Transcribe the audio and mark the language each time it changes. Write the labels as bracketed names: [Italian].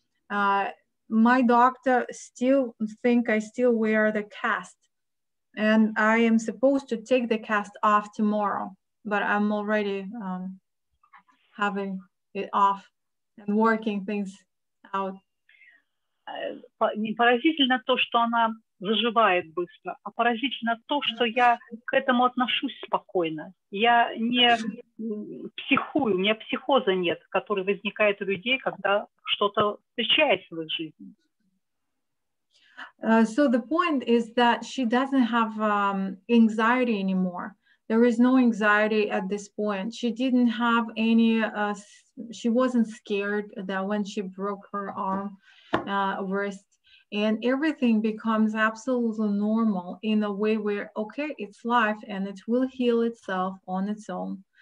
[English] My doctor still think I still wear the cast and I am supposed to take the cast off tomorrow, but I'm already having it off and working things out. [Russian] Поразительно то, что она заживает быстро, а поразительно то, что я к этому отношусь спокойно. Я не психую, у меня психоза нет, который возникает у людей, когда что-то встречается в их жизни. [English] So the point is that she doesn't have anxiety anymore. There is no anxiety at this point. She didn't have any, she wasn't scared that when she broke her arm, wrist, and everything becomes absolutely normal in a way where, okay, it's life and it will heal itself on its own.